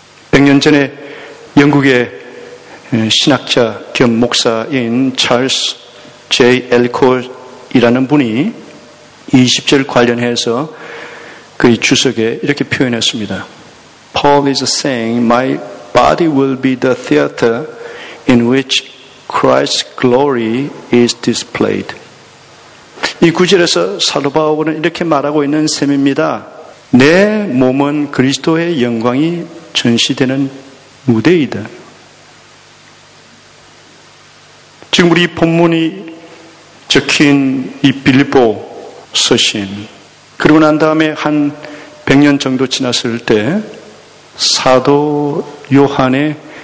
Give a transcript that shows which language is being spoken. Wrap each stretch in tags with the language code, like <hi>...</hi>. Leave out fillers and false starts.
<ko>100년 전에 영국의 신학자 겸 목사인 찰스 제이 엘콜이라는 분이 20절 관련해서 그의 주석에 이렇게 표현했습니다.</ko> <en>Paul is saying, my body will be the theater in which Christ's glory is displayed.</en> <ko>이 구절에서 사도 바울은 이렇게 말하고 있는 셈입니다. 내 몸은 그리스도의 영광이 전시되는 무대이다. 지금 우리 본문이 적힌 이 빌립보 서신, 그리고 난 다음에 한 100년 정도 지났을 때 사도 요한의</ko>